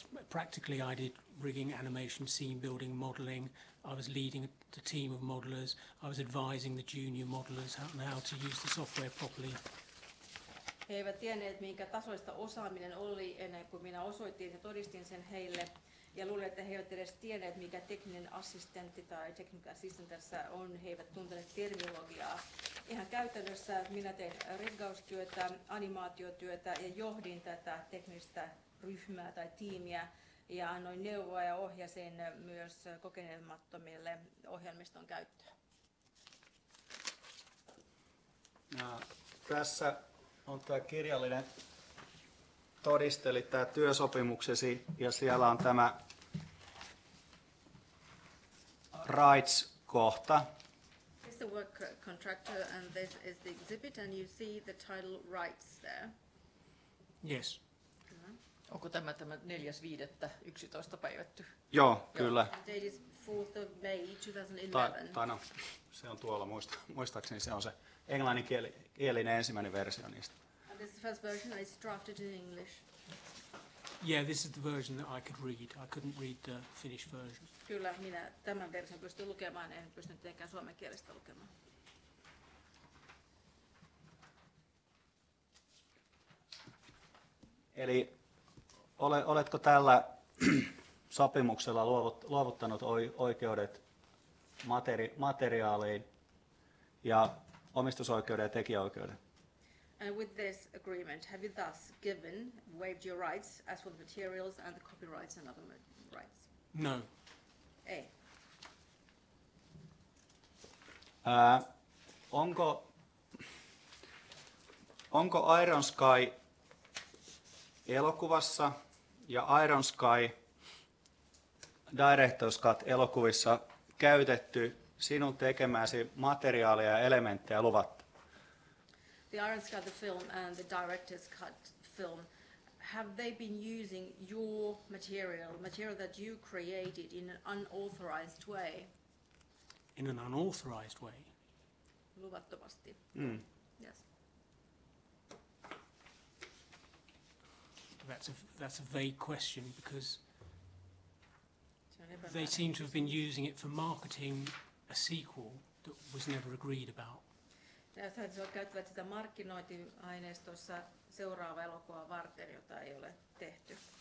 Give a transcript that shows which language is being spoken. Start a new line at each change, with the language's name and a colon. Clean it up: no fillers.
English: Practically, I did rigging, animation, scene building, modeling. I was leading the team of modelers. I was advising the junior modelers how to use the software properly.
Finnish: He eivät tienneet, minkä tasoista osaaminen oli ennen kuin minä osoitin ja todistin sen heille. ja luulen, että he eivät edes tienneet, mikä tekninen assistentti tai technical assistant tässä on. He eivät tunteneet terminologiaa. Ihan käytännössä minä tein riggaustyötä, animaatiotyötä ja johdin tätä teknistä ryhmää tai tiimiä ja annoin neuvoa ja ohjasin myös kokeneemattomille ohjelmiston käyttöä. No, tässä on tämä kirjallinen todiste, eli tämä työsopimuksesi, ja siellä on tämä rights-kohta.
English: This is the work contractor, and this is the exhibit, and you see the title rights there. Yes.
Finnish: Onko tämä 4.5.11 päivätty? Joo, kyllä.
English: Date is 4th of May 2011.
Finnish: Tai no, se on tuolla, muistaakseni se on se. Englanninkielinen ensimmäinen versio niistä.
English: And this is the first version, it's drafted in English. Yeah, this is the version that I could read. I couldn't read the Finnish version.
Finnish: Kyllä, minä tämän version pystyn lukemaan, en pystynyt tietenkään suomen kielestä lukemaan. Eli oletko tällä sopimuksella luovuttanut oikeudet materiaaliin ja omistusoikeuden ja tekijäoikeuden?
English: And with this agreement, have you thus given, waived your rights as for the materials and the copyrights and other rights? No. A.
Finnish: Onko Iron Sky elokuvassa ja Iron Sky Director's Cut elokuvissa käytetty sinun tekemäsi materiaalia ja elementtejä luvatta?
English: The Iron Sky, the film, and the Director's Cut film, have they been using your material, material that you created in an unauthorized way? In an unauthorized way?
Finnish: Luvattomasti. Mm.
English: Yes. That's a vague question because they seem to have been using it for marketing a sequel that was never agreed about.
Finnish: He käyttävät sitä markkinointiaineistossa seuraava elokuva varten, jota ei ole tehty.